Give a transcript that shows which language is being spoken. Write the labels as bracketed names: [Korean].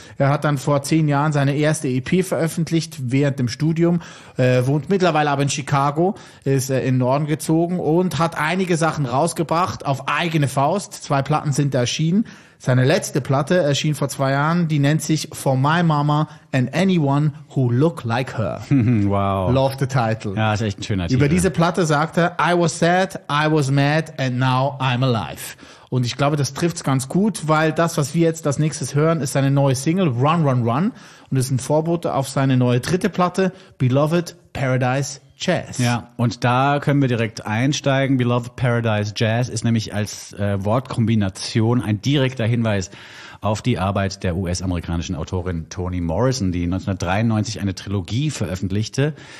[German] Er hat dann vor 10 Jahren seine erste EP veröffentlicht während dem Studium, wohnt mittlerweile aber in Chicago, ist in den Norden gezogen und hat einige Sachen rausgebracht auf eigene Faust. 2 Platten sind erschienen. Seine letzte Platte erschien vor 2 Jahren, die nennt sich For My Mama and Anyone Who Look Like Her. Wow. [English] Love the title. [German] Ja, ist echt ein schöner Titel. Über diese Platte sagt er, [English] I was sad, I was mad and now I'm alive. [German] Und ich glaube, das trifft's ganz gut, weil das, was wir jetzt als nächstes hören, ist seine neue Single Run, Run, Run. Und ist ein Vorbote auf seine neue 3. Platte Beloved Paradise Jazz. Ja, und da können wir direkt einsteigen. Beloved Paradise Jazz ist nämlich als Wortkombination ein direkter Hinweis auf die Arbeit der US-amerikanischen Autorin Toni Morrison, die 1993 eine Trilogie veröffentlichte.